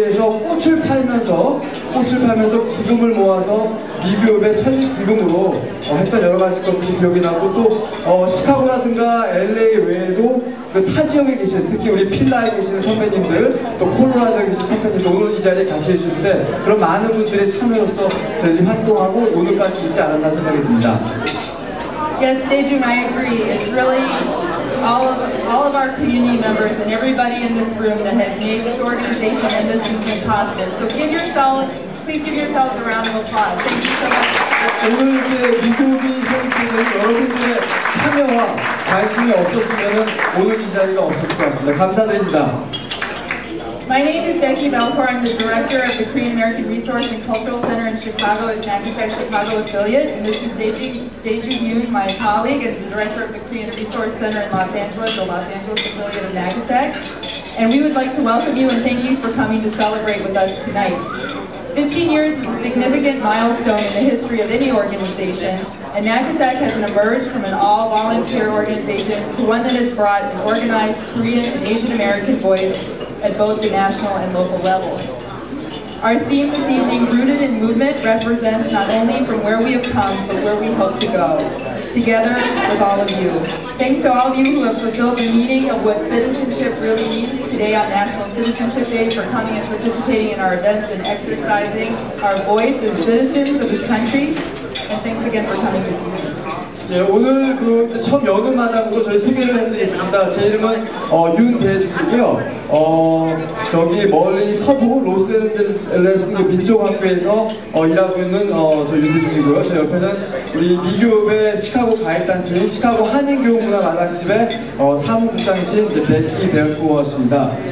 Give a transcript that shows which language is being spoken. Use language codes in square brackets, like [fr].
[ko] 꽃을 팔면서 기금을 모아서 미교협의 설립 기금으로 했던 여러 가지 것들이 기억이 나고 또 시카고라든가 LA 외에도 그 타 지역에 계신 특히 우리 필라에 계시는 선배님들 또 콜로라도에 계신 선배님 오늘 이 자리에 같이 해주실 때 그런 많은 분들의 참여로서 저희 활동하고 오늘까지 있지 않았나 생각이 듭니다. [en] Yes, Daejun, I agree. It's really all of our community members and everybody in this room that has made this organization and this movement possible. So please give yourselves a round of applause. Thank you so much. 오늘 이제 미교협이 설립되는 여러분들의 참여와 관심이 없었으면 오늘 이 자리가 없었을 것 같습니다. 감사드립니다. My name is Becky Belcour. I'm the director of the Korean American Resource and Cultural Center in Chicago. It's NACASEC Chicago affiliate. And this is Daejun Yoon, my colleague, and the director of the Korean Resource Center in Los Angeles, the Los Angeles affiliate of NACASEC. And we would like to welcome you and thank you for coming to celebrate with us tonight. 15 years is a significant milestone in the history of any organization, and NACASEC has emerged from an all-volunteer organization to one that has brought an organized Korean and Asian American voice at both the national and local levels. Our theme this evening, Rooted in Movement, represents not only from where we have come, but where we hope to go, together with all of you. Thanks to all of you who have fulfilled the meaning of what citizenship really means today on National Citizenship Day for coming and participating in our events and exercising our voice as citizens of this country. And thanks again for coming this evening. [ko] 예, 오늘 그 처음 여는 마당으로 저희 소개를 해드리겠습니다. 제 이름은 윤대중이고요. 저기 멀리 서부 로스앤젤레스 민족학교에서 일하고 있는 저 윤대중이고요. 저 옆에는 우리 미교협의 시카고 가입단체인 시카고 한인교육문화 마당집의 사무국장이신 이제 베키 벨코어입니다.